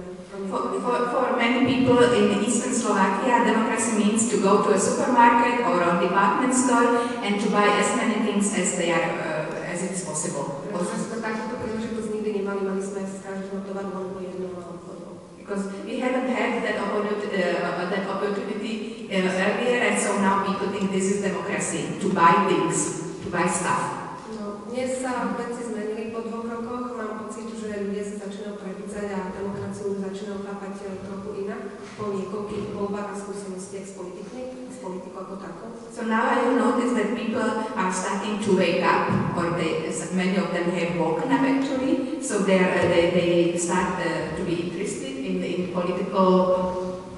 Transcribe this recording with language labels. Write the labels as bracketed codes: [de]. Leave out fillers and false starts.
[en] For many people in Eastern Slovakia, democracy means to go to a supermarket or a department store and to buy as many things as they are as it is possible. Because we haven't had that opportunity earlier, and so now people think this is democracy, to buy things, to buy stuff. [sk] Dnes sa veci zmenili po dvoch rokoch, mám pocit, že ľudia sa začínajú prebudzať a demokraciu začínajú chápať trochu inak po niekoľkých voľbách a skúsenostiach s politikou ako takou. [en] So now I have noticed that people are starting to wake up, or many of them have woken up actually, so they start to be interested in political...